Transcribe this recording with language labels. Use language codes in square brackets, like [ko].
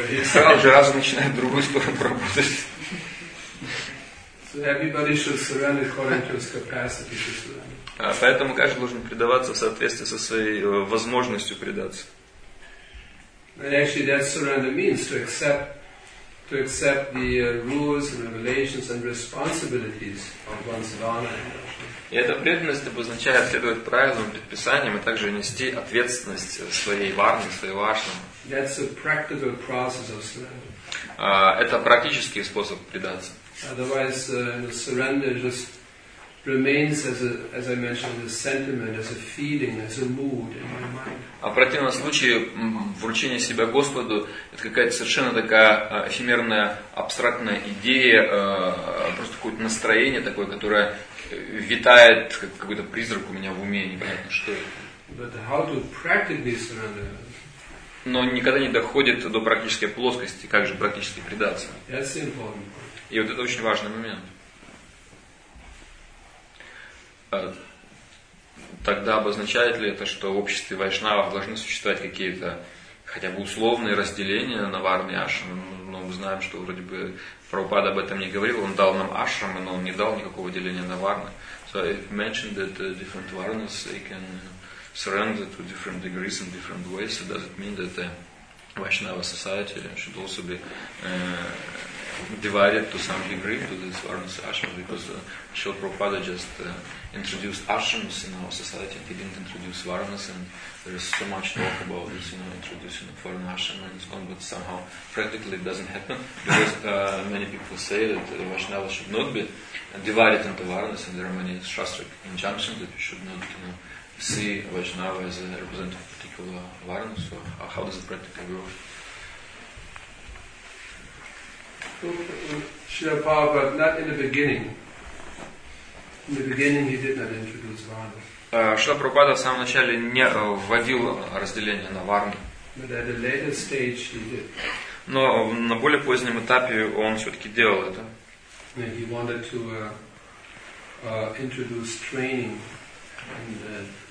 [ru] Сразу же разум начинает в другую сторону работать. Поэтому каждый должен предаваться в соответствии со своей возможностью предаться. [en] And actually, that surrender means to accept the rules and regulations and responsibilities of one's dana. [ru] И эта преданность обозначает следовать правилам, предписаниям, и также нести ответственность своей варне, своей вашне. [en] That's a practical process of surrender. [ru] Это практический способ предаться. [en] Otherwise, the surrender just remains as I mentioned, as a sentiment, as a feeling, as a mood in my mind. [ru] А в противном случае вручение себя Господу это какая-то совершенно такая эфемерная, абстрактная идея, просто какое-то настроение такое, которое витает, как какой-то призрак у меня в уме, непонятно что. [en] But how to practically surrender? [ru] Но никогда не доходит до практической плоскости, как же практически предаться. [en] That's important. [ru] И вот это очень важный момент. Тогда обозначает ли это, что в обществе вайшнавов должны существовать какие-то хотя бы условные разделения на варны и ашрамы? Но мы знаем, что вроде бы Прабхупада об этом не говорил, он дал нам ашрамы, но он не дал никакого деления на варны. [en] So he mentioned that different varnas, they can surrender to different degrees in different ways. So does it mean that the Vaishnava society should also be divided to some degree to these varnas ashrams, because Srila Prabhupada just introduced ashrams in our society, he didn't introduce varnas, and there is so much talk about this, you know, introducing a foreign ashram and so on, but somehow practically it doesn't happen, because many people say that Vaishnava should not be divided into varnas, and there are many shastric injunctions that you should not, you know, see Vaishnava as a representative of particular varna. So how does it practically work? Srila Prabhupada, not in the beginning. In the beginning he did not introduce varna. [ru] Srila Prabhupada в самом начале не вводил разделение на варны. [en] But at a later stage he did. [ru] Но на более позднем этапе он все-таки делал это. [en] And he wanted to introduce training in the